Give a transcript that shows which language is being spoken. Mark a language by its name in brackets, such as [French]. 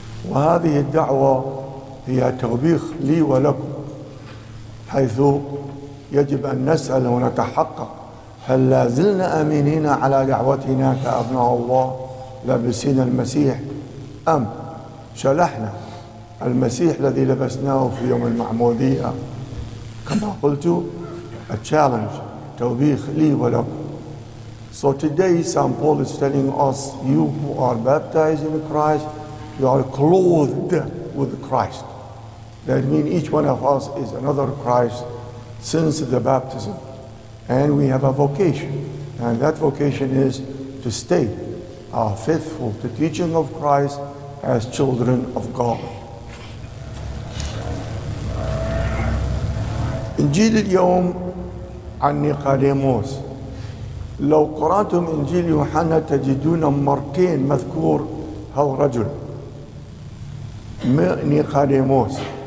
[Arabic] وهذه الدعوة هي توبيخ لي ولكم، حيث يجب أن نسأل ونتحقق: هل لازلنا آمنين على دعوتنا كأبناء الله لابسين المسيح، أم شلحنا المسيح الذي لبسناه في يوم المعمودية؟ كما قلت، [English] a challenge، [Arabic] توبيخ لي ولكم. [English] So today St. Paul is telling us: you who are baptized in Christ, you are clothed with Christ. That means each one of us is another Christ since the baptism. And we have a vocation. And that vocation is to stay faithful to teaching of Christ as children of God. [Arabic] إنجيل اليوم عن نيقوديموس. لو قرأتم إنجيل يوحنا تجدون مرتين مذكور هذا الرجل نيقوديموس.